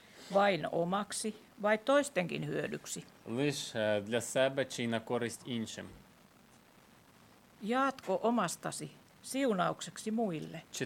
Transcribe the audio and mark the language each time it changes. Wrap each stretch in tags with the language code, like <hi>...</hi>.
<fi>Vain omaksi vai toistenkin hyödyksi?</fi> <uk>Лише для себе чи на користь іншим?</uk> <fi>Jaatko omastasi siunaukseksi muille?</fi>